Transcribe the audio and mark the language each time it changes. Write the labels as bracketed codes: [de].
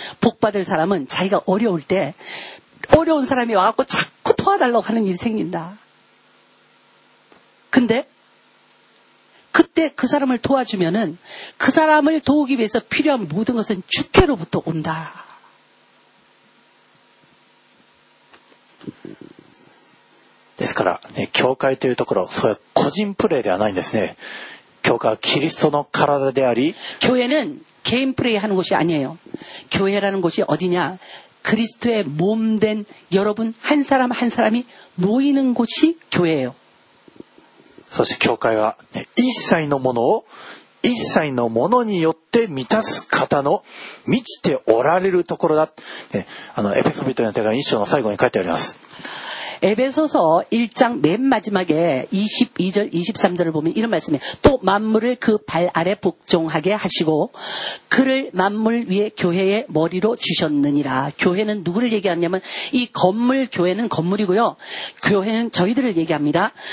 [ko] 복받을 사람은 자기가 어려울 때 어려운 사람이 와갖고 자꾸 도와달라고 하는 일이 생긴다. 근데 그때 그 사람을 도와주면은 그 사람을 도우기 위해서 필요한 모든 것은 주께로부터 온다. [ja] ですから、教会というところ、それは個人プレーではないんですね。教会はキリストの体であり。 [ko] 교회는 개인 플레이 하는 곳이 아니에요. 교회라는 곳이 어디냐? 그리스도의 몸된 여러분 한 사람 한 사람이 모이는 곳이 교회예요. 그래서 교회가 [ja] 一切のものを一切のものによって満たす方の満ちておられるところだ。エペソ人への手紙1章の最後に書いてあります。 [ko] 에베소서1장맨마지막에22절23절을보면이런말씀이에요또만물을그발아래복종하게하시고그를만물위에교회의머리로주셨느니라교회는누구를얘기하냐면이건물교회는건물이고요교회는저희들을얘기합니다